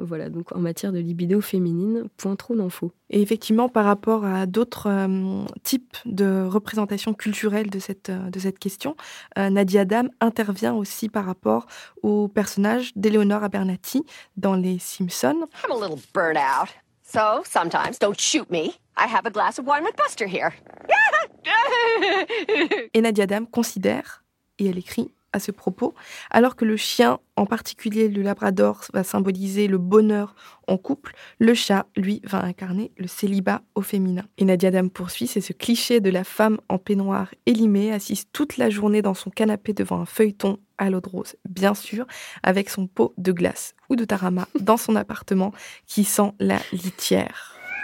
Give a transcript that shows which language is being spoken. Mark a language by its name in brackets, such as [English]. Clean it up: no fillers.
[French] Voilà, donc en matière de libido féminine, point trop d'infos. Et effectivement, par rapport à d'autres types de représentations culturelles de cette question, Nadia Adam intervient aussi par rapport au personnage d'Eleonore Abernathy dans Les Simpsons. [English] « I'm a little burnt out. » So, sometimes, don't shoot me. I have a glass of wine with Buster here. [French] Et Nadia Adam considère, et elle écrit à ce propos, alors que le chien, en particulier le labrador, va symboliser le bonheur en couple, le chat, lui, va incarner le célibat au féminin. Et Nadia Adam poursuit, c'est ce cliché de la femme en peignoir élimée, assise toute la journée dans son canapé devant un feuilleton à l'eau de rose, bien sûr, avec son pot de glace ou de tarama dans son appartement qui sent la litière.